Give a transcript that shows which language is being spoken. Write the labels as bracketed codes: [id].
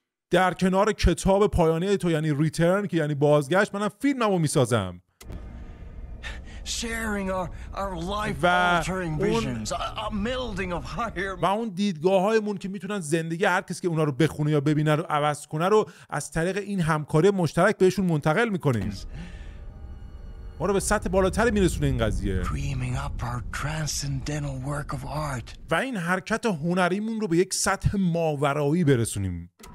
[fa] در کنار کتاب پایانی تو یعنی ریترن که یعنی بازگشت، منم فیلممو میسازم. [en] Sharing our life-altering visions, a melding of higher. [fa] و اون دیدگاه‌هایمون که میتونن زندگی هر کسی که اونا رو بخونه یا ببینه رو عوض کنه رو از طریق این همکاری مشترک بهشون منتقل میکنیم. ما رو به سطح بالاتر میرسونه این قضیه. [en] Dreaming up our transcendental work of art. [fa] و این حرکت هنریمون رو به یک سطح ماورایی برسونیم.